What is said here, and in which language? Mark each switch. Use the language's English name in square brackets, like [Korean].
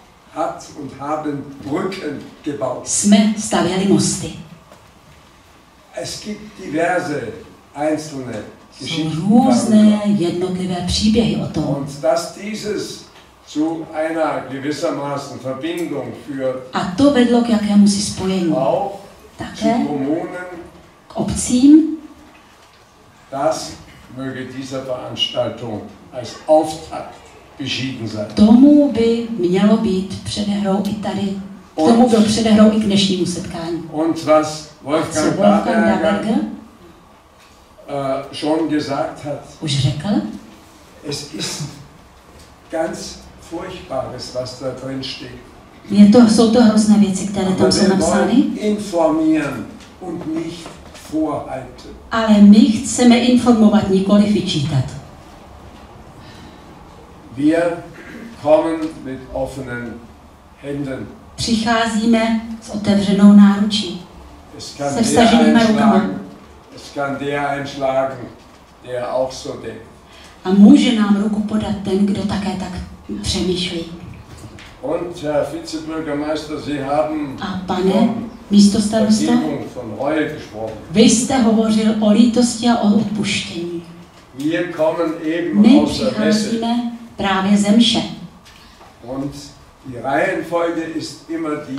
[German] Hat und haben Brücken gebaut. [Czech] Jsme stavěli mosty. [German] Es gibt diverse einzelne. [Czech] Jsou různé jednotlivé příběhy o tom. [German] Und dass dieses zu einer gewissermaßen Verbindung führt. [Czech] A to vedlo k jakémusi spojení. Také [German] kommunen, [Czech] k obcím. [German] Das möge dieser Veranstaltung als Auftakt beschieden sein. [Czech] Tomu by mělo být předehrou i tady. Tomu byl předehrou i k dnešnímu setkání. [German] Und was Wolfgang Daberger schon gesagt hat. [Czech] Už řekl? [German] Es ist ganz furchtbares, was da drin steht. [Czech] Je to, jsou to hrozné věci, které tam jsou napsány. [German] Informieren und nicht vorhalten. [Czech] Ale my chceme informovat, nikoli vyčítat. [German] Wir kommen mit offenen Händen. [Czech] Přicházíme s otevřenou náručí. Se vstaženýma rukama. [German] Es kann der einschlagen, der auch so denkt. [Czech] A může nám ruku podat ten, kdo také tak přemýšlí. [German] Und Herr Vizebürgermeister, Sie haben [Czech] a pane místostarosta, [German] von Reue gesprochen. [Czech] Vy jste hovořil o lítosti a o odpuštění. [German] Wir kommen eben [Czech] my přicházíme právě ze mše. [German] Und die Reihenfolge ist immer die,